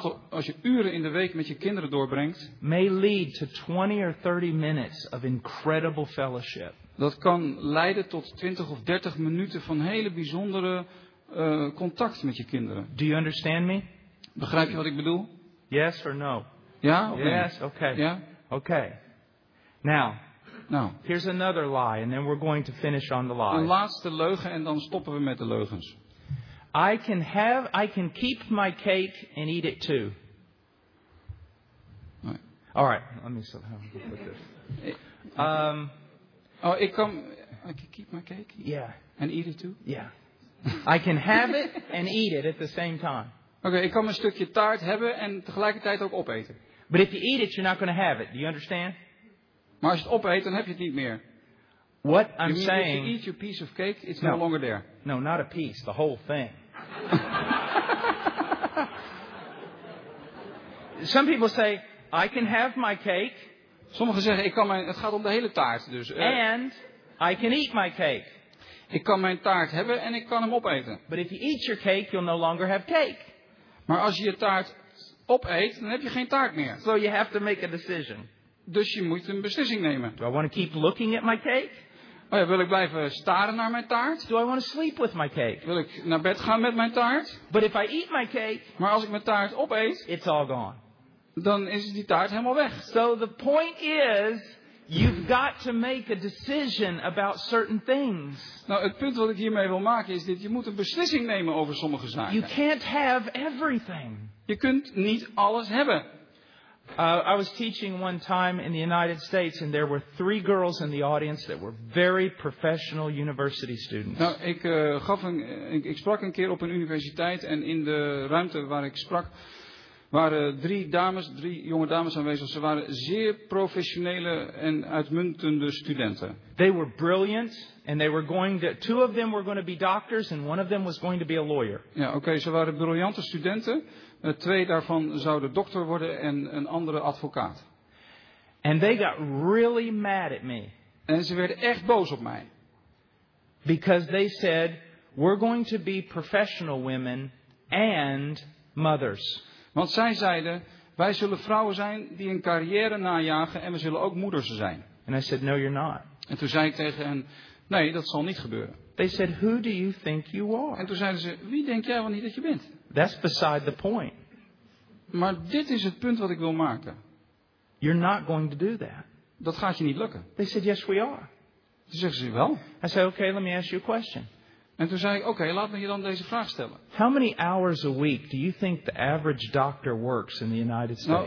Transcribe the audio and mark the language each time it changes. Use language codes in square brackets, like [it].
[nl] Als je uren in de week met je kinderen doorbrengt, [en] may lead to 20 or 30 minutes of incredible fellowship. [nl] Dat kan leiden tot 20 of 30 minuten van hele bijzondere contact met je kinderen. [en] Do you understand me? [nl] Begrijp je wat ik bedoel? [en] Yes or no? [nl] Ja of nee? [en] Yes, okay. [nl] Ja? [en] Okay. Now, here's another lie and then we're going to finish on the lie. [nl] Een laatste leugen en dan stoppen we met de leugens. [en] I can keep my cake and eat it too. All right, let me see how to put this. I can keep my cake. Yeah. And eat it too. Yeah. I can have it and eat it at the same time. [nl] Okay, ik kan een stukje taart hebben en tegelijkertijd ook opeten. [en] But if you eat it, you're not going to have it. Do you understand? [nl] Maar als je het opeet, dan heb je het niet meer. [en] What I'm you saying. If you eat your piece of cake, it's no longer there. No, not a piece, the whole thing. Some people say, I can have my cake. [nl] Sommigen zeggen, het gaat om de hele taart. Dus, [en] and I can eat my cake. [nl] Ik kan mijn taart hebben en ik kan hem opeten. [en] But if you eat your cake, you'll no longer have cake. [nl] Maar als je je taart opeet, dan heb je geen taart meer. [en] So you have to make a decision. [nl] Dus je moet een beslissing nemen. [en] Do I want to keep looking at my cake? [nl] Oh ja, wil ik blijven staren naar mijn taart? [en] Do I want to sleep with my cake? [nl] Wil ik naar bed gaan met mijn taart? [en] But if I eat my cake, [nl] maar als ik mijn taart opeet, [en] it's all gone. [nl] Dan is die taart helemaal weg. [en] So the point is, you've got to make a decision about certain things. [nl] Nou, het punt wat ik hiermee wil maken is dit: je moet een beslissing nemen over sommige zaken. [en] You can't have everything. [nl] Je kunt niet alles hebben. [en] I was teaching one time in the United States and there were 3 girls in the audience that were very professional university students. [nl] Nou, ik sprak een keer op een universiteit en in de ruimte waar ik sprak waren 3 jonge dames aanwezig. Ze waren zeer professionele en uitmuntende studenten. [en] They were brilliant and they were going to, 2 of them were going to be doctors and 1 of them was going to be a lawyer. [nl] Ja, oké, ze waren briljante studenten. 2 daarvan zouden dokter worden en een andere advocaat. [en] And they got really mad at me. [nl] En ze werden echt boos op mij. [en] Because they said we're going to be professional women and mothers. [nl] Want zij zeiden, wij zullen vrouwen zijn die een carrière najagen en we zullen ook moeders zijn. [en] And I said, no, you're not. [nl] En toen zei ik tegen hen, nee, dat zal niet gebeuren. [en] They said, who do you think you are? [nl] En toen zeiden ze, wie denk jij wel niet dat je bent? [en] That's beside the point. [nl] Maar dit is het punt wat ik wil maken. [en] You're not going to do that. [nl] Dat gaat je niet lukken. [en] They said, yes, we are. [nl] Toen zeggen ze, wel. [en] I said, okay, let me ask you a question. [nl] En toen zei ik, oké, laat me je dan deze vraag stellen. [en] How many hours a week do you think the average doctor works in the United States?